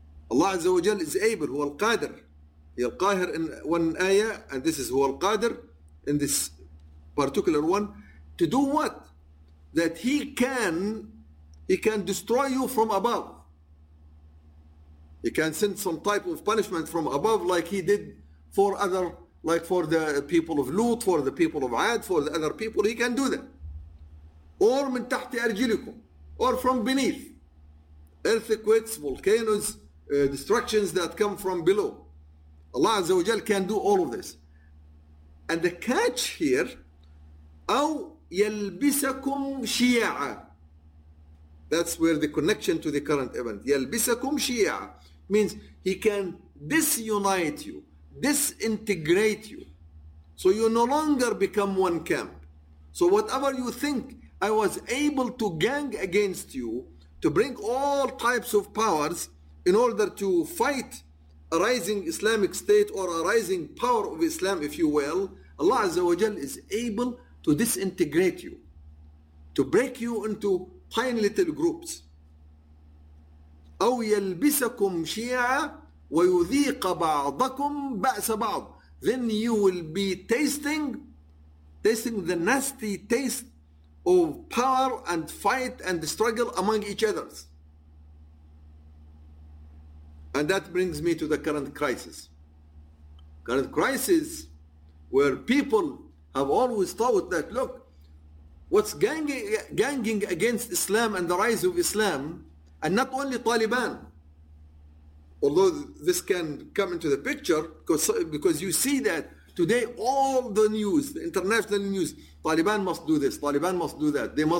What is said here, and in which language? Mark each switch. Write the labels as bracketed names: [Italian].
[English] Allah Azza wa Jal is able. [Arabic] هُوَ الْقَادِر. هِيَ الْقَاهِر [English] in one ayah, and this is [Arabic] هُوَ الْقَادِر [English] in this particular one. To do what? That he can destroy you from above. He can send some type of punishment from above, like he did for other, like for the people of Lut, for the people of Ad, for the other people. He can do that. Or [Arabic] من تحت أرجلكم, [English] or from beneath. Earthquakes, volcanoes, destructions that come from below. Allah Azza wa Jal can do all of this. And the catch here, [Arabic] أو يلبسكم شيعة. [English] That's where the connection to the current event. [Arabic] يلبسكم شيعة. [English] Means he can disunite you, disintegrate you. So you no longer become one camp. So whatever you think, I was able to gang against you, to bring all types of powers in order to fight a rising Islamic state or a rising power of Islam, if you will, Allah Azza wa Jal is able to disintegrate you, to break you into tiny little groups. [Arabic] أو يلبسكم شيعة ويذيق بعضكم بأس بعض. [English] Then you will be tasting the nasty taste of power and fight and struggle among each other. And that brings me to the current crisis. Current crisis where people have always thought that, look, what's ganging against Islam and the rise of Islam, and not only Taliban, although this can come into the picture, because you see that today all the news, the international news, Taliban must do this, Taliban must do that.